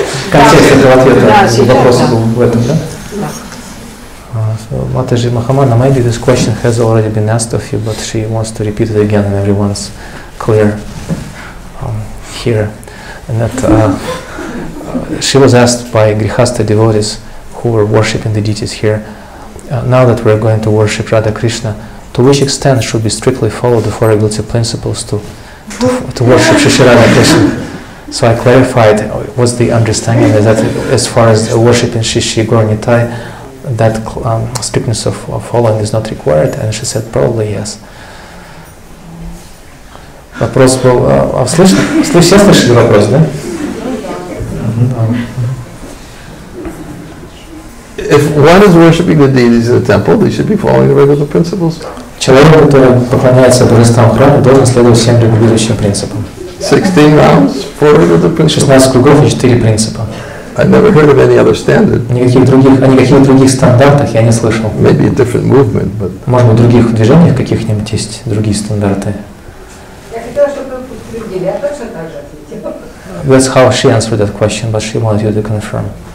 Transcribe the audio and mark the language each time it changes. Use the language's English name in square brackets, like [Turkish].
[Russian] Контекст этого ответа, вопрос был в этом, да? [English] Матаджи Махамана, maybe this question has already been asked of you, but she wants to repeat it again and everyone's clear here. And that she was asked by Grihastha devotees who were worshipping the deities here, now that we're going to worship Radha Krishna, to which extent should we strictly follow the four ability principles to worship Shri Radha Krishna? So I clarified, what's the understanding is that as far as worshipping Shri Gaura Nitai, that strictness of following is not required, and she said, probably yes. [Russian] Вопрос был, а слышали, все слышали вопрос, да? [English] If one is worshipping the deities in the temple, they should be following the regular principles. [Russian] Человек, который поклоняется божествам в храме, должен следовать всем регулирующим принципам. [English] 16 rounds, 4 regular principles. [Russian] 16 кругов и 4 принципа. [English] I've never heard of any other standard. [Russian] О никаких других стандартах я не слышал. [English] Maybe a different movement, but. [Russian] Может быть, в других движениях каких-нибудь есть другие стандарты. Я хотела, чтобы вы подтвердили, я точно так же ответила. [English] That's how she answered that question, but she wanted you to confirm.